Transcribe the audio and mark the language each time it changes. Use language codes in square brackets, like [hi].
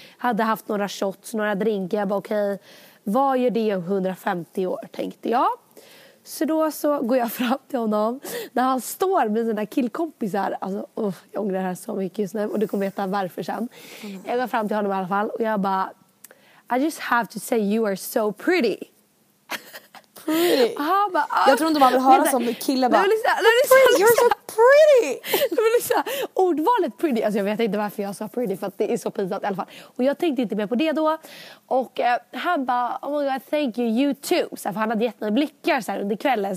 [sv] Hade haft några shots, några drinkar. Jag bara, okej, vad gör det om 150 år, tänkte jag. Så då så går jag fram till honom. När han står med sina killkompisar. Alltså, jag ångrar det här så mycket just nu. Och du kommer veta varför sen. Mm. Jag går fram till honom i alla fall. Och jag bara, [en] I just have to say you are so pretty. Pretty. [sv] Han bara, jag tror inte man vill höra som killar bara, [en] you're so pretty. [sv] Men lyssna, ordvalet pretty. Alltså jag vet inte varför jag sa pretty, för att det är så pinsamt i alla fall. Och jag tänkte inte mer på det då. Och han bara, [en] oh my god, thank you, you too. [sv] Så här, för han hade gett mig blickar så här, under kvällen.